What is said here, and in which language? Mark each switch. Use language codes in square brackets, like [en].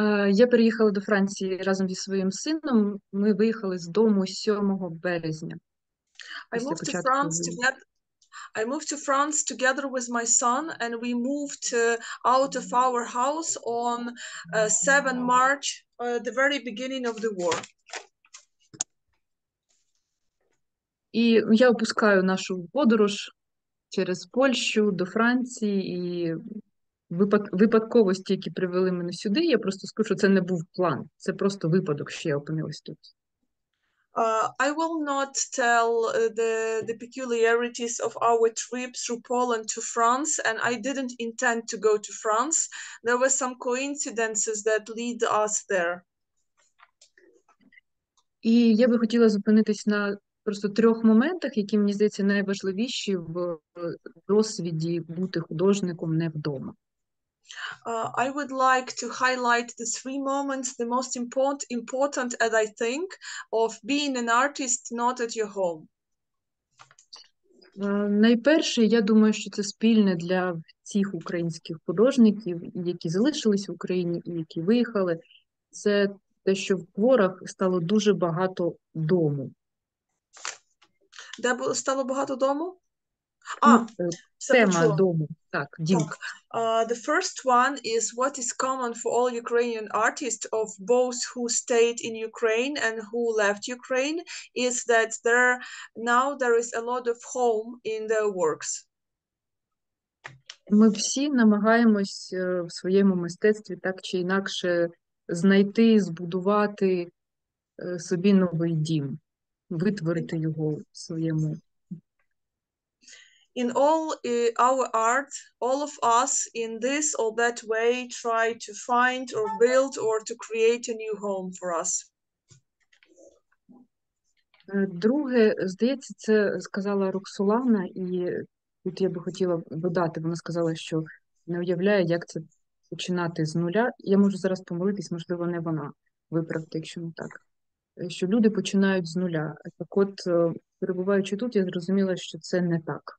[uk] Я переїхала до Франції разом зі своїм сином. Ми виїхали з дому 7 березня. [en] I moved to France together. I moved to France together with my son, and we moved out of our house on 7 March, the very beginning of the war. [uk] І я опускаю нашу подорож через Польщу до Франції, і випадковості, які привели мене сюди, я просто скажу, що це не був план, це просто випадок, що я опинилась тут. [en] I will not tell the peculiarities of our trip through Poland to France, and I didn't intend to go to France. There were some coincidences that lead us there. [uk] І я би хотіла зупинитись на просто трьох моментах, які, мені здається, найважливіші в досвіді бути художником не вдома. [en] I would like to highlight the three moments, the most important, as I think, of being an artist not at your home. [uk] Найперше, я думаю, що це спільне для цих українських художників, які залишились в Україні і які виїхали, це те, що в творах стало дуже багато дому. Де стало багато дому? Тема дому. Так, дім. [en] The first one is what is common for all Ukrainian artists of both who stayed in Ukraine and who left Ukraine is that there is a lot of home in their works. [uk] Ми всі намагаємось в своєму мистецтві так чи інакше знайти, збудувати собі новий дім, витворити його своєму. [en] In all our art, all of us in this or that way try to find or build or to create a new home for us. [uk] Друге, здається, це сказала Роксолана, і тут я би хотіла додати, вона сказала, що не уявляє, як це починати з нуля. Я можу зараз помилитись, можливо, не вона, виправте, якщо не так. Що люди починають з нуля. Так от, перебуваючи тут, я зрозуміла, що це не так.